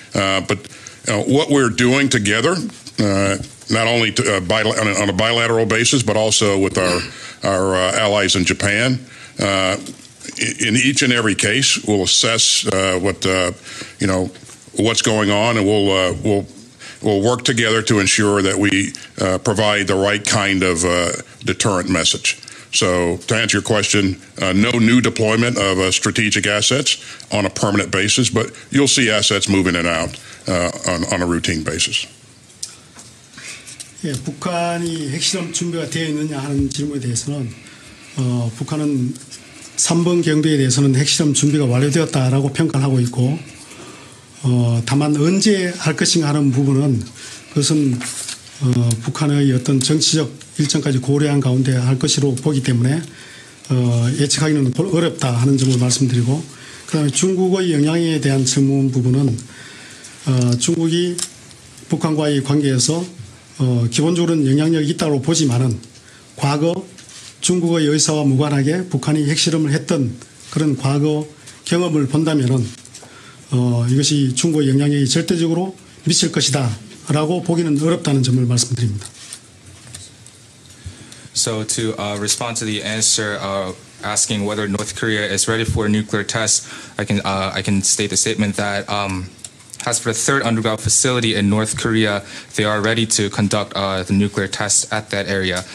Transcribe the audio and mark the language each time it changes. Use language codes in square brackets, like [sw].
[en] But what we're doing together, not only to, on a bilateral basis, but also with our allies in Japan, in each and every case, we'll assess what's going on, and we'll work together to ensure that we provide the right kind of deterrent message. So, to answer your question, no new deployment of strategic assets on a permanent basis, but you'll see assets moving in and out on a routine basis. [ko] 예, 북한이 핵실험 준비가 되어 있느냐 하는 질문에 대해서는 북한은 3번 경비에 대해서는 핵실험 준비가 완료되었다라고 평가를 하고 있고 다만 언제 할 것인가 하는 부분은 그것은 북한의 어떤 정치적 일정까지 고려한 가운데 할 것으로 보기 때문에 예측하기는 어렵다 하는 점을 말씀드리고 그 다음에 중국의 영향에 대한 질문 부분은 중국이 북한과의 관계에서 기본적으로는 영향력이 있다고 보지만은 과거 중국의 의사와 무관하게 북한이 핵실험을 했던 그런 과거 경험을 본다면은 이것이 중국의 영향력이 절대적으로 미칠 것이다 라고 보기는 어렵다는 점을 말씀드립니다. [en] So to respond to the answer asking whether North Korea is ready for a nuclear test, I can state the statement that as for the third underground facility in North Korea, they are ready to conduct the nuclear test at that area.